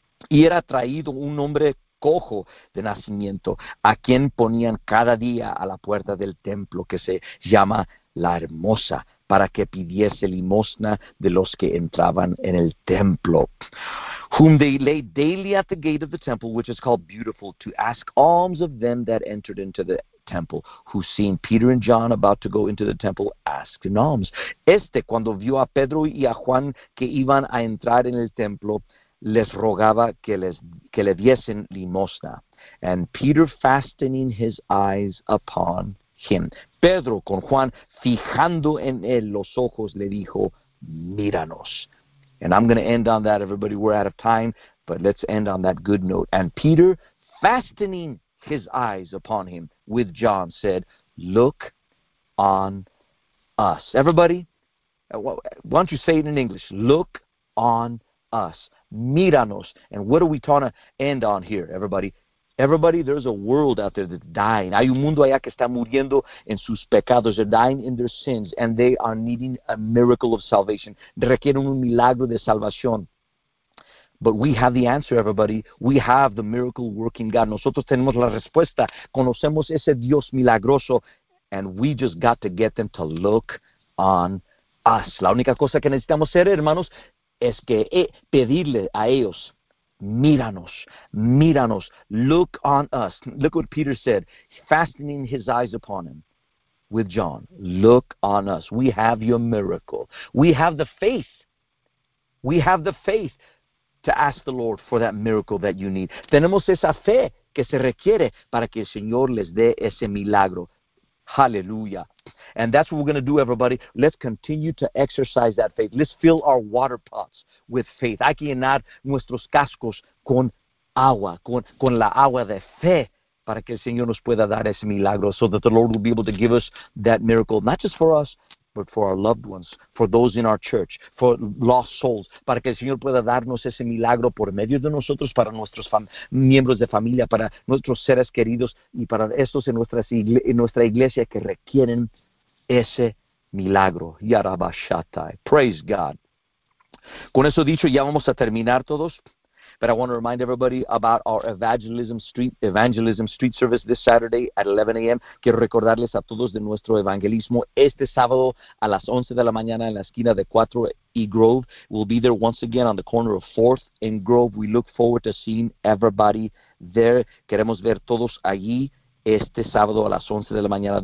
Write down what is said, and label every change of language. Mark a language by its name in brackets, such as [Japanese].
[Spanish] Y era traído un hombre cojo de nacimiento, a quien ponían cada día a la puerta del templo, que se llama La Hermosa, para que pidiese limosna de los que entraban en el templo. [English] Whom they laid daily at the gate of the temple, which is called Beautiful, to ask alms of them that entered into the temple, who seeing Peter and John about to go into the temple, asked in alms. [Spanish] Este, cuando vio a Pedro y a Juan que iban a entrar en el templo, les rogaba que le diesen limosna. [English] And Peter, fastening his eyes upon him, [Spanish] Pedro con Juan, fijando en él los ojos, le dijo, míranos. [English] And I'm going to end on that, everybody. We're out of time, but let's end on that good note. And Peter, fastening his eyes upon him with John, said, look on us. Everybody, why don't you say it in English? Look on us. Míranos. And what are we trying to end on here, everybody? Everybody, there's a world out there that's dying. [Spanish] Hay un mundo allá que está muriendo en sus pecados. [English] They're dying in their sins, and they are needing a miracle of salvation. [Spanish] Requieren un milagro de salvación. [English] But we have the answer, everybody. We have the miracle working God. [Spanish] Nosotros tenemos la respuesta. Conocemos ese Dios milagroso, [English] and we just got to get them to look on us. [Spanish] La única cosa que necesitamos hacer, hermanos, es que pedirle a ellos, míranos, míranos, [English] look on us. Look what Peter said, fastening his eyes upon him with John. Look on us. We have your miracle. We have the faith. We have the faith to ask the Lord for that miracle that you need. [Spanish] Tenemos esa fe que se requiere para que el Señor les dé ese milagro. [English] Hallelujah. And that's what we're going to do, everybody. Let's continue to exercise that faith. Let's fill our water pots with faith. [Spanish] Hay que llenar nuestros cascos con agua, con la agua de fe, para que el Señor nos pueda dar ese milagro, [English] so that the Lord will be able to give us that miracle, not just for us, but for our loved ones, for those in our church, for lost souls, [Spanish] para que el Señor pueda darnos ese milagro por medio de nosotros, para nuestros miembros de familia, para nuestros seres queridos, y para estos en nuestra iglesia que requieren ese milagro. Yarabashatai. Praise God. Con eso dicho, ya vamos a terminar todos. [English] But I want to remind everybody about our Evangelism Street Service this Saturday at 11 a.m. [Spanish] Quiero recordarles a todos de nuestro evangelismo este sábado a las 11 de la mañana en la esquina de 4 y Grove. [English] We'll be there once again on the corner of 4th and Grove. We look forward to seeing everybody there. [Spanish] Queremos ver todos allí este sábado a las 11 de la mañana.